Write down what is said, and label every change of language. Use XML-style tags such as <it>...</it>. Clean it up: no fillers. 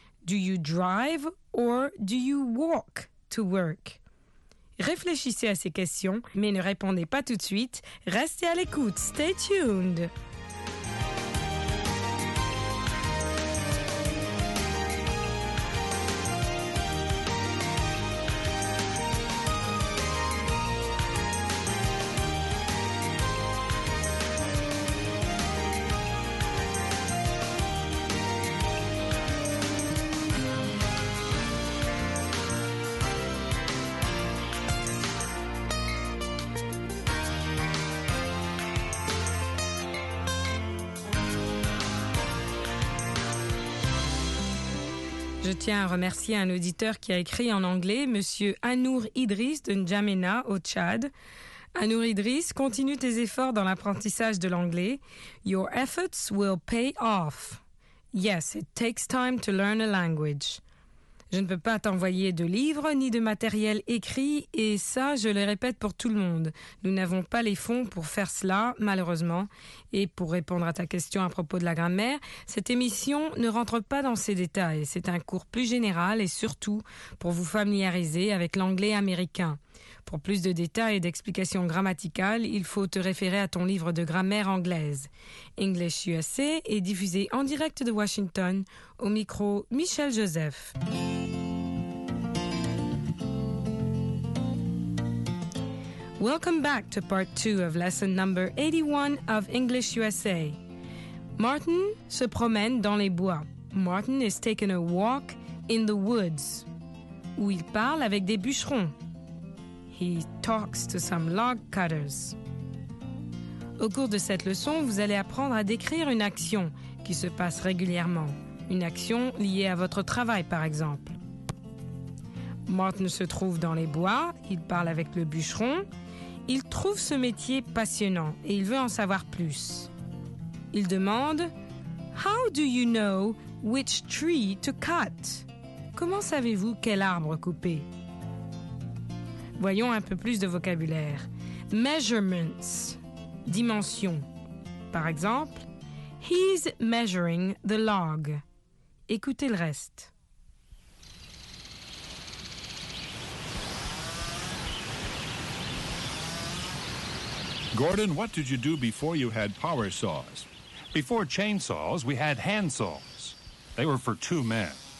<en>Do you drive or do you walk to work?</en> <fr>Réfléchissez à ces questions, mais ne répondez pas tout de suite. Restez à l'écoute.</fr> <en>Stay tuned.</en> <fr>Je tiens à remercier un auditeur qui a écrit en anglais, M. Anour Idriss de N'Djamena, au Tchad. Anour Idriss, continue tes efforts dans l'apprentissage de l'anglais.</fr> <en>Your efforts will pay off. Yes, it takes time to learn a language.</en> <fr>Je ne peux pas t'envoyer de livres ni de matériel écrit, et ça, je le répète pour tout le monde. Nous n'avons pas les fonds pour faire cela, malheureusement. Et pour répondre à ta question à propos de la grammaire, cette émission ne rentre pas dans ces détails. C'est un cours plus général et surtout pour vous familiariser avec l'anglais américain. Pour plus de détails et d'explications grammaticales, il faut te référer à ton livre de grammaire anglaise. English USA est diffusé en direct de Washington, au micro Michel Joseph.</fr> <en>Welcome back to part 2 of lesson number 81 of English USA.</en> <fr>Martin se promène dans les bois.</fr> <en>Martin is taking a walk in the woods,</en> <fr>où il parle avec des bûcherons.</fr> <en>He talks to some log cutters.</en> <fr>Au cours de cette leçon, vous allez apprendre à décrire une action qui se passe régulièrement. Une action liée à votre travail, par exemple. Martin se trouve dans les bois, il parle avec le bûcheron. Il trouve ce métier passionnant et il veut en savoir plus. Il demande «</fr> <en>How do you know which tree to cut?</en> <fr>» Comment savez-vous quel arbre couper? Voyons un peu plus de vocabulaire.</fr> <en>Measurements, dimensions. Par exemple, he's measuring the log.</en> <fr>Écoutez le reste.</fr> <en>Gordon, what did you do before you had power saws? Before chainsaws, we had hand saws. They were for two men.</en>